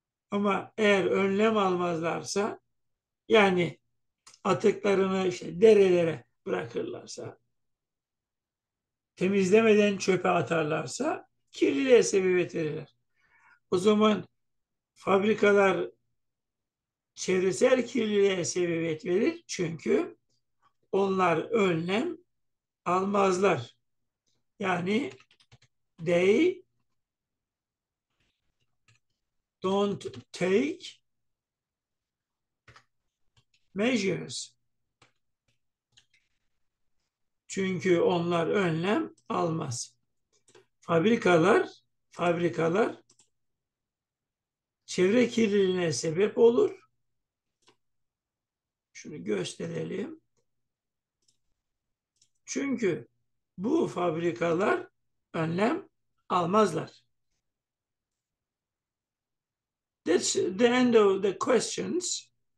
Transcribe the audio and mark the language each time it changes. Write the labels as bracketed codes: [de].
[tr] Ama eğer önlem almazlarsa, yani atıklarını işte derelere bırakırlarsa, temizlemeden çöpe atarlarsa kirliliğe sebebiyet verirler. O zaman fabrikalar çevresel kirliliğe sebebiyet verir çünkü onlar önlem almazlar. [en] Yani they don't take measures. [tr] Çünkü onlar önlem almaz. Fabrikalar çevre kirliliğine sebep olur. Şunu gösterelim. Çünkü bu fabrikalar önlem almazlar. [en] That's the end of the questions.